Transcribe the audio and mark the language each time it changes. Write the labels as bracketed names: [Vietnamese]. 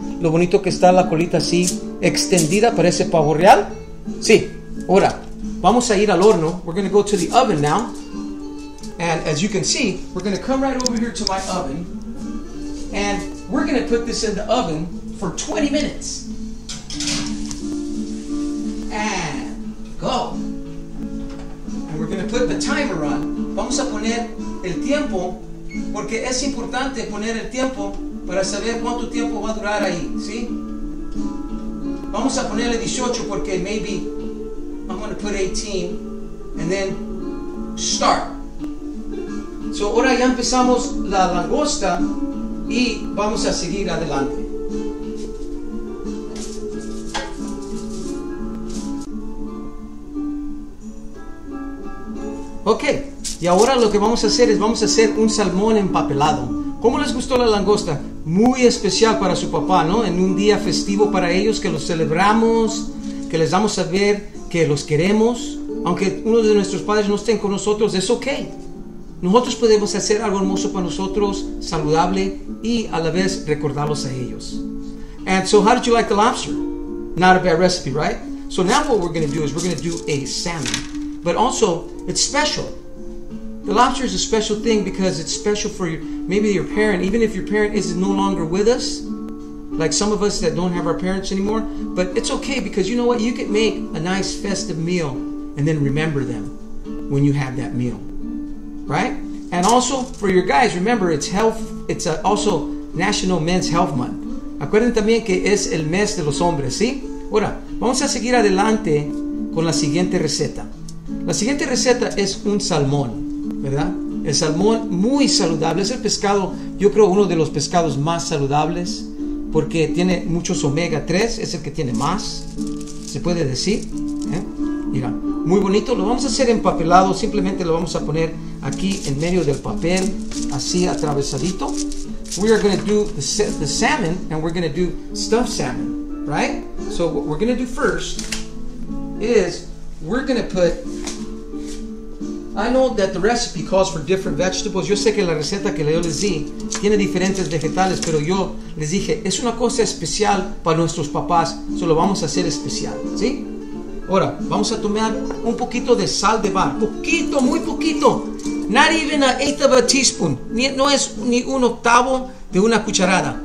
[Spanish] Lo bonito que está la colita así extendida, parece pavo real. Sí. Ahora, vamos a ir al horno. [English] We're going to go to the oven now. And as you can see, we're going to come right over here to my oven. And we're going to put this in the oven for 20 minutes. And go. And we're going to put the timer on. [Spanish] Vamos a poner el tiempo, porque es importante poner el tiempo para saber cuánto tiempo va a durar ahí, ¿sí? Vamos a ponerle 18 porque [English] maybe I'm going to put 18 and then start. [Spanish] So ahora ya empezamos la langosta y vamos a seguir adelante. Ok, y ahora lo que vamos a hacer es vamos a hacer un salmón empapelado. ¿Cómo les gustó la langosta? Muy especial para su papá, ¿no? En un día festivo para ellos que los celebramos, que les damos a ver que los queremos. Aunque uno de nuestros padres no estén con nosotros, es ok. Nosotros podemos hacer algo hermoso para nosotros, saludable, y a la vez recordarlos a ellos. [English] And so how did you like the lobster? Not a bad recipe, right? So now what we're going to do is we're going to do a salmon. But also, it's special. The lobster is a special thing because it's special for you. Maybe your parent, even if your parent is no longer with us, like some of us that don't have our parents anymore, but it's okay because you know what? You can make a nice festive meal and then remember them when you have that meal, right? And also for your guys, remember it's health, it's also National Men's Health Month. [Spanish] Acuérdense también que es el mes de los hombres, ¿sí? Ahora, vamos a seguir adelante con la siguiente receta. La siguiente receta es un salmón, ¿verdad? El salmón muy saludable, es el pescado, yo creo uno de los pescados más saludables, porque tiene muchos omega 3, es el que tiene más, se puede decir. Mira, muy bonito, lo vamos a hacer empapelado, simplemente lo vamos a poner aquí en medio del papel, así atravesadito. [English] We are going to do the salmon, and we're going to do stuffed salmon, right? So what we're going to do first is we're going to put... I know that the recipe calls for different vegetables. [Spanish] Yo sé que la receta que yo les di tiene diferentes vegetales, pero yo les dije, es una cosa especial para nuestros papás, so lo vamos a hacer especial, ¿sí? Ahora, vamos a tomar un poquito de sal de bar. Poquito, muy poquito. [English] Not even an eighth of a teaspoon. [Spanish] Ni, no es ni un octavo de una cucharada.